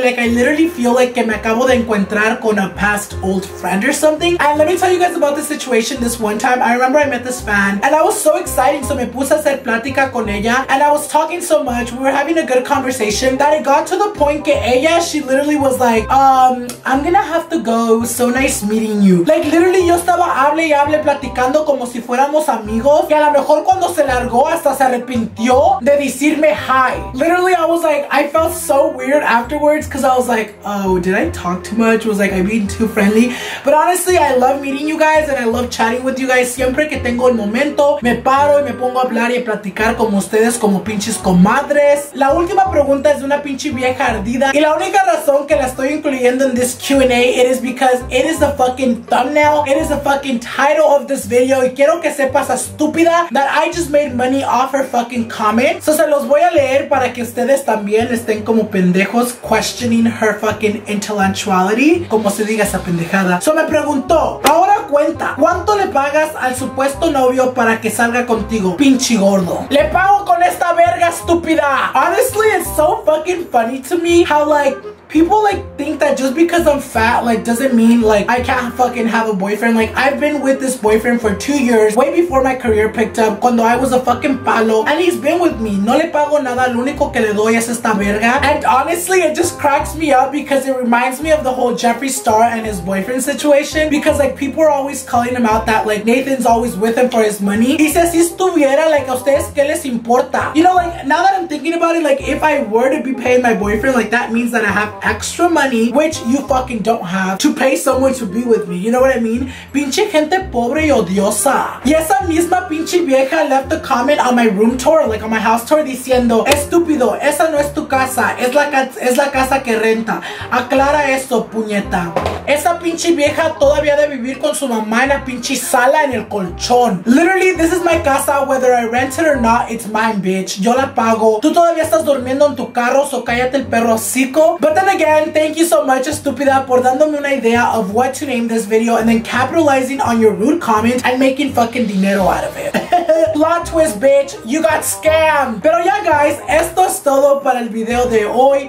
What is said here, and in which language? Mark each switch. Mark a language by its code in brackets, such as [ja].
[en] Like, I literally feel like [es] que me acabo de encontrar con [en] a past old friend or something. And let me tell you guys about the situation this one time. I remember I met this fan and I was so excited. [es] So me puse a hacer plática con ella [en] and I was talking so much. We were having a good conversation that it got to the point [es] que ella, [en] she literally was like, I'm gonna have to go. It was so nice meeting you. [es] Like, literally, yo estaba hable y hable platicando como si fuéramos amigos. Y a lo mejor cuando se largó, hasta se arrepintió de decirme hi. [en] Literally, I was like, I felt so weird afterwards because I was like, oh, did I talk too much? Was like, I being too friendly? But honestly, I love meeting you guys and I love chatting with you guys. [es] Siempre que tengo el momento, me paro y me pongo a hablar y a platicar con ustedes como pinches comadres. La última pregunta es de una pinche vieja ardida. Y la única razón que la estoy incluyendo en [en] this Q&A, it is because it is the fucking thumbnail. It is the fucking title of this video. [es] Y quiero que sepas, estúpida, [en] that I just made money off her fucking comment. [es] So se los voy a leer para que ustedes también estén como pendejos [en] questioning her fucking intellectuality. [es] Como se diga esa pendejada. So me preguntó, ahora cuenta, ¿cuánto le pagas al supuesto novio para que salga contigo, pinche gordo? Le pago con esta verga, estúpida. [en] Honestly, it's so fucking funny to me how like people like think that just because I'm fat, like, doesn't mean like I can't fucking have a boyfriend. Like, I've been with this boyfriend for 2 years, way before my career picked up, cuando I was a fucking palo, and he's been with me. [es] No le pago nada, lo único que le doy es esta verga. [en] And honestly, it just cracks me up because it reminds me of the whole Jeffree Star and his boyfriend situation, because like people are always calling him out that like Nathan's always with him for his money. He says, [es] si estuviera, [en] like, [es] a ustedes que les importa? [en] You know, like, now that I'm thinking about it, like, if I were to be paying my boyfriend, like, that means that I have extra money, which you fucking don't have, to pay someone to be with me. You know what I mean? [es] Pinche gente pobre y odiosa. Y esa misma pinche vieja [en] left a comment on my room tour, like on my house tour, [es] diciendo, estúpido, esa no es tu casa, es la casa que renta. Aclara eso, puñeta. Esa pinche vieja todavía debe vivir con su mamá en la pinche sala en el colchón. [en] Literally, this is my casa, whether I rent it or not, it's mine, bitch. [es] Yo la pago. Tú todavía estás durmiendo en tu carro, so cállate el perro hocico. [en] But then again, thank you so much, estúpida, [es] por dándome una idea [en] of what to name this video and then capitalizing on your rude comment and making fucking dinero out of it. Plot twist, bitch, you got scammed. [es] Pero ya, guys, esto es todo para el video de hoy.